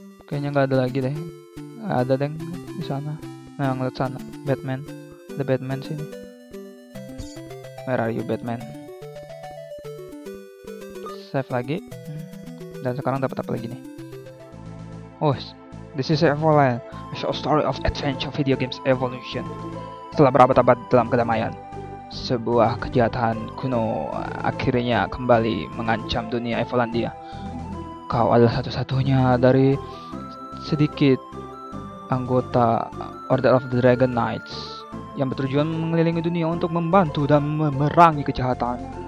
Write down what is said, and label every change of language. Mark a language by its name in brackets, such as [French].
[Indonesian] Kayaknya nggak ada lagi deh. Gak ada deh di sana. Nah, yang lihat sana Batman. The Batman sini. [English] Where are you Batman? [Indonesian] Save lagi. Dan sekarang dapat apa lagi nih? [English] Oh, this is Evoland. It's a story of adventure video games evolution. [Indonesian] Setelah berabad-abad dalam kedamaian, sebuah kejahatan kuno akhirnya kembali mengancam dunia Evolandia. Kau adalah satu-satunya dari sedikit anggota Order of the Dragon Knights yang bertujuan mengelilingi dunia untuk membantu dan memerangi kejahatan.